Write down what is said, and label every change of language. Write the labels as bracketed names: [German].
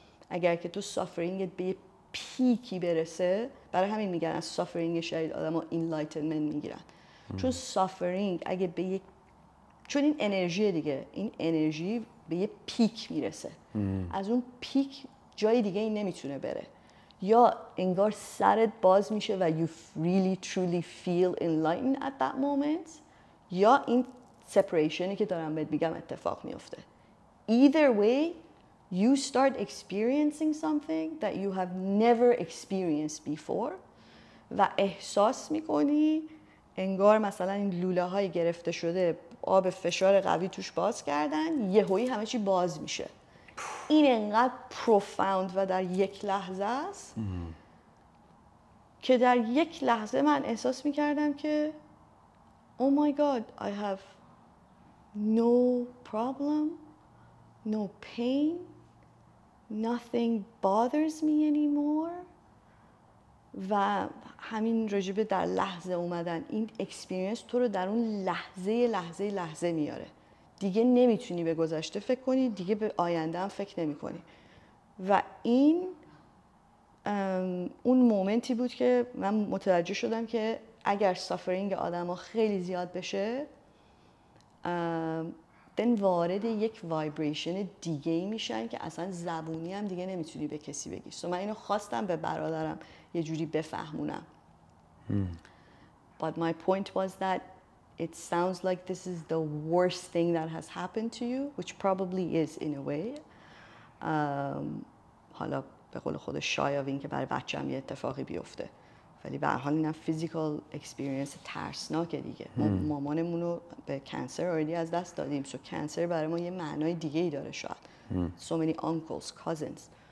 [Persian] اگر که تو سافرینگت به یه پیکی برسه، برای همین میگن از سافرینگ شدید آدما انلایتنمنت میگیرن، چون سافرینگ اگه به یک، چون این انرژی دیگه، این انرژی به یه پیک میرسه، از اون پیک جای دیگه این نمیتونه بره، یا انگار سرت باز میشه و [English] you really truly feel enlightened at that moment، [Persian] یا این سپریشنی که دارم بهت میگم اتفاق میفته. [English] Either way you start experiencing something that you have never experienced before [Persian] و احساس میکنی انگار مثلا این لوله های گرفته شده آب فشار قوی توش باز کردن، یهویی همه چی باز میشه. این انقدر پروفاوند و در یک لحظه است که در یک لحظه من احساس میکردم که [English] Oh my God, I have no problem, no pain, nothing bothers me anymore. [Persian] و همین راجبه در لحظه اومدن، این اکسپیرینس تو رو در اون لحظه میاره. دیگه نمیتونی به گذشته فکر کنی، دیگه به آینده هم فکر نمی کنی. و این اون مومنتی بود که من متوجه شدم که اگر سافرینگ آدم ها خیلی زیاد بشه، دن وارد یک وایبریشن دیگه ای میشن که اصلا زبونی هم دیگه نمیتونی به کسی بگی. سو من اینو خواستم به برادرم یه جوری بفهمونم. [English] But my point was that it sounds like this is the worst thing that has happened to you, which probably is in a way. [Persian] حالا به قول خود شایوین که برای بچه‌م یه اتفاقی بیفته. ولی به هر حال اینا فیزیکال اکسپریانس ترسناکه دیگه. مامانمون رو به کانسر اوردی از دست دادیم. سو کانسر برای ما یه معنای دیگه ای داره شاید. [English] So many uncles, cousins.